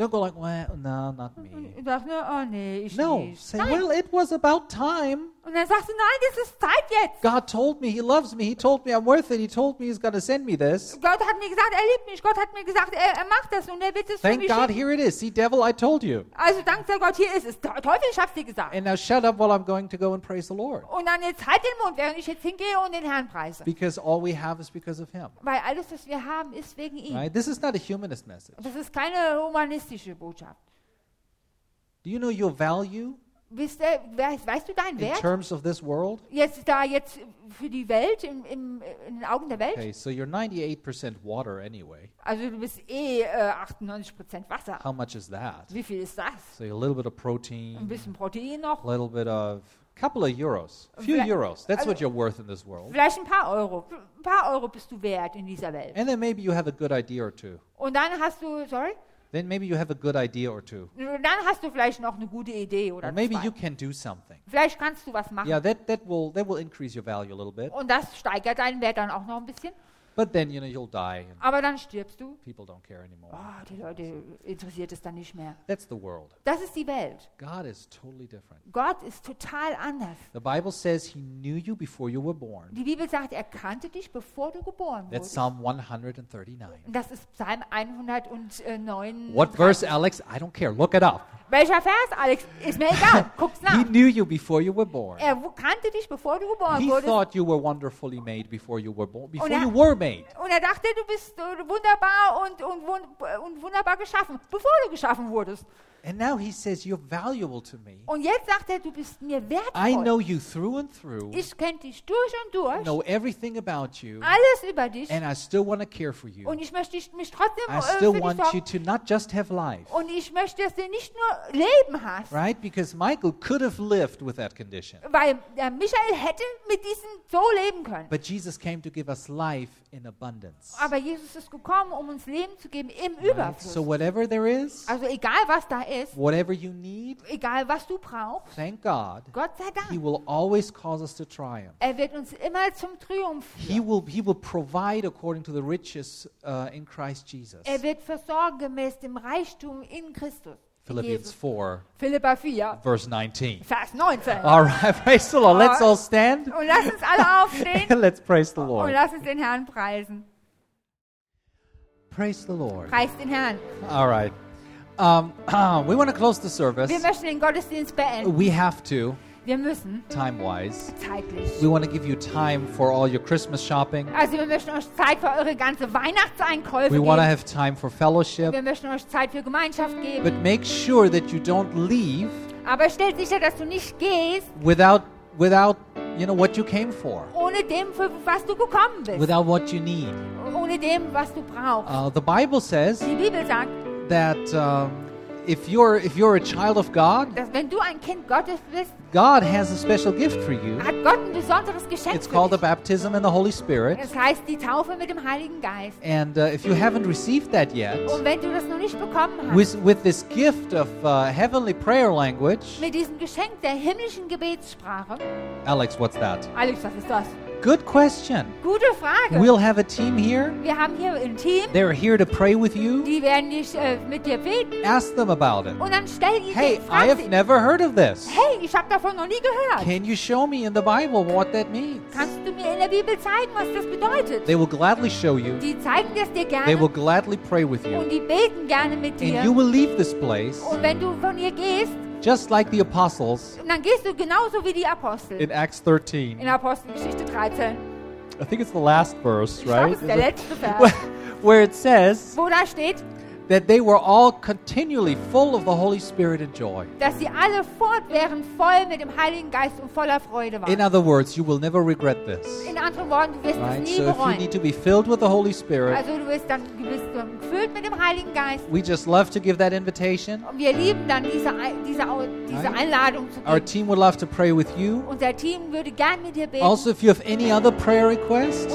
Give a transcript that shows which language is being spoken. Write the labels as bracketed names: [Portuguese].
[English] Don't go like, well, no, not me. [German] Sag nur, oh nee, ich [English] no, [German] nicht. [English] Say, nein. Well, it was about time. [German] Und dann sagst du, nein, es ist Zeit jetzt. [English] God told me, he loves me, he told me I'm worth it, he told me he's going to send me this. [German] Gott hat mir gesagt, er liebt mich. Gott hat mir gesagt, er macht das und er wird es [English] thank [German] für mich [English] God, here it is. See, devil, I told you. [German] Also dank sei Gott, hier ist es. Teufel, ich hab's dir gesagt. [English] And now shut up while I'm going to go and praise the Lord. [German] Und dann jetzt halt den Mund, während ich jetzt hingehe und den Herrn preise. [English] Because all we have is because of him. [German] Weil alles, was wir haben, ist wegen ihm. [English] Right? This is not a humanist message. [German] Das ist keine humanistische Botschaft. [English] Do you know your value? [German] Weißt du deinen Wert? [English] In terms of this world? [German] Jetzt da jetzt für die Welt in den Augen der Welt? [English] Okay, so you're 98% water anyway. [German] Also du bist 98% Wasser. [English] How much is that? [German] Wie viel ist das? [English] So a little bit of protein. [German] Ein bisschen Protein noch. [English] A little bit of couple of euros. Few euros. That's also what you're worth in this world. [German] Vielleicht ein paar Euro. Ein paar Euro bist du wert in dieser Welt. [English] And then maybe you have a good idea or two. [German] Und dann hast du sorry? [English] Then maybe you have a good idea or two. [German] Dann hast du vielleicht noch eine gute Idee oder [English] or maybe [German] zwei. [English] You can do something. [German] Vielleicht kannst du was machen. [English] Yeah, that will increase your value a little bit. [German] Und das steigert deinen Wert dann auch noch ein bisschen. [English] But then you know you'll die. And [German] aber dann stirbst du. [English] People don't care anymore. [German] Oh, die Leute interessiert es dann nicht mehr. [English] That's the world. [German] Das ist die Welt. [English] God is totally different. [German] Gott ist total anders. [English] The Bible says he knew you before you were born. [German] Die Bibel sagt, er kannte dich bevor du geboren wurdest. [English] That's Psalm 139. [German] Das ist Psalm 139. [English] What verse, Alex? I don't care. Look it up. [German] Welcher Vers, Alex? Ist mir egal. Guck's nach. [English] He knew you before you were born. [German] Er kannte dich bevor du geboren [English] he [German] wurdest. [English] He thought you were wonderfully made before you were born. Before you were made. [German] Und er dachte, du bist wunderbar und wunderbar geschaffen, bevor du geschaffen wurdest. [English] And now he says, you're valuable to me. [German] Und jetzt sagt er, du bist mir wertvoll. [English] I know you through and through. [German] Ich kenne dich durch und durch. [English] Know everything about you. [German] Alles über dich. [English] And I still want to care for you. [German] Und ich möchte mich trotzdem [English] I still [German] für [English] want [German] dich [English] you to not just have life. [German] Und ich möchte, dass du nicht nur Leben hast. [English] Right? Because Michael could have lived with that condition. [German] Weil Michael hätte mit diesem so leben können. [English] But Jesus came to give us life in abundance. [German] Aber Jesus ist gekommen, um uns Leben zu geben im [English] right? [German] Überfluss. [English] So whatever there is. [German] Also egal was da ist. [English] Whatever you need, [German] egal was du brauchst, [English] thank God, [German] Gott sei Dank, [English] he will always cause us to triumph. [German] Er wird uns immer zum Triumph führen. [English] He will provide according to the riches in Christ Jesus. [German] Er wird versorgen gemäß dem Reichtum in Christus. [English] Philippians 4, [German] Philippa 4, [English] verse 19. [German] Vers 19. [English] All right, praise the Lord. Let's all stand. [German] Und lass uns alle aufstehen. [English] Let's praise the Lord. [German] Und lass uns den Herrn preisen. [English] Praise the Lord. [German] Preist den Herrn. [English] All right. We want to close the service. [German] Wir möchten den Gottesdienst beenden. [English] We have to. [German] Wir müssen. [English] Time wise. [German] Zeitlich. [English] We want to give you time for all your Christmas shopping. [German] Also wir möchten euch Zeit für eure ganze Weihnachtseinkäufe geben. [English] We want to have time for fellowship. [German] Wir möchten euch Zeit für Gemeinschaft geben. [English] But make sure that you don't leave. [German] Aber stellt sicher, dass du nicht gehst. [English] Without you know what you came for. [German] Ohne dem, für was du gekommen bist. [English] Without what you need. [German] Ohne dem, was du brauchst. [English] The Bible says. [German] Die Bibel sagt. [English] That if you're a child of God, [German] dass wenn du ein Kind Gottes bist, [English] God has a special gift for you. [German] Hat Gott ein besonderes Geschenk. [English] It's called the baptism in the Holy Spirit. [German] Es heißt die Taufe mit dem Heiligen Geist. [English] And if you haven't received that yet, [German] und wenn du das noch nicht bekommen hast, [English] with this gift of heavenly prayer language, [German] mit diesem Geschenk der himmlischen Gebetssprache, [English] Alex, what's that? [German] Alex, was ist das? [English] Good question. [German] Gute Frage. [English] We'll have a team here. [German] Wir haben hier ein Team. [English] They're here to pray with you. [German] Die werden dich, mit dir beten. [English] Ask them about it. [German] Und dann stell ihnen, [English] hey, [German] frag [English] I have [German] sie. [English] Never heard of this. [German] Hey, ich habe davon noch nie gehört. [English] Can you show me in the Bible what that means? [German] Kannst du mir in der Bibel zeigen, was das bedeutet? [English] They will gladly show you. [German] Die zeigen das dir gerne. [English] They will gladly pray with you. [German] Und die beten gerne mit dir. [English] And you will leave this place. [German] Und wenn du von hier gehst, [English] just like the apostles. [German] Und dann gehst du genauso wie die Apostel. [English] In Acts 13. [German] In Apostelgeschichte 13. [English] I think it's the last verse, right? [German] Ich glaube, es ist der letzte Vers. [English] Where it says, [German] wo da steht, [English] that they were all continually full of the Holy Spirit and joy. [German] Dass sie alle fortwährend voll mit dem Heiligen Geist und voller Freude waren. [English] In other words, you will never regret this. [German] In anderen Worten, du wirst [English] right? [German] es nie [English] so [German] bereuen. [English] So if you need to be filled with the Holy Spirit, [German] also du bist gefüllt mit dem Heiligen Geist. [English] We just love to give that invitation. [German] Und wir lieben dann diese [English] right? [German] Einladung zu geben. [English] Our team would love to pray with you. [German] Unser Team würde gern mit dir beten. [English] Also if you have any other prayer requests,